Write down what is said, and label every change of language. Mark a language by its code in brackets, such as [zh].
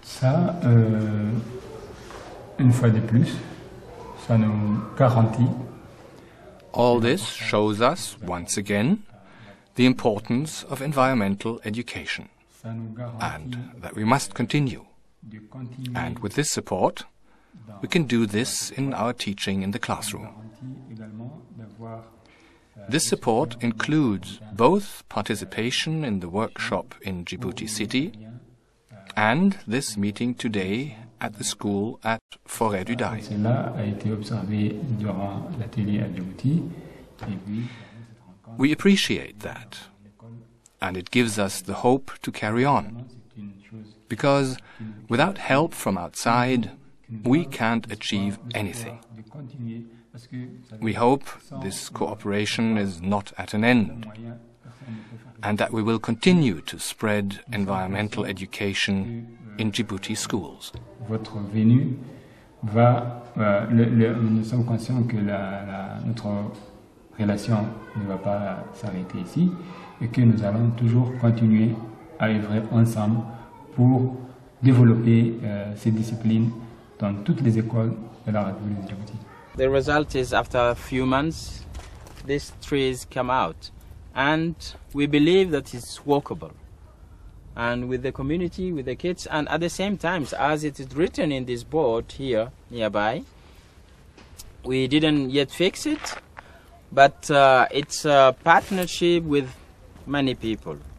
[fr] Ça, une fois de plus, ça nous garantit. [en] All this shows us, once again, the importance of environmental education. And that we must continue. And with this support, we can do this in our teaching in the classroom. This support includes both participation in the workshop in Djibouti City and this meeting today at the school at Forêt du Daï. We appreciate that. And it gives us the hope to carry on. Because without help from outside, we can't achieve anything. We hope this cooperation is not at an end, and that we will continue to spread environmental education in Djibouti schools. [fr] Votre venue va, nous sommes conscients que notre relation ne va pas s'arrêter ici et que nous allons toujours continuer à œuvrer ensemble pour développer ces disciplines dans toutes les écoles de la République de Djibouti. [en] The result is after a few months, these trees come out. And we believe that it's workable. And with the community, with the kids, and at the same time, as it is written in this board here nearby, we didn't yet fix it, but it's a partnership with many people.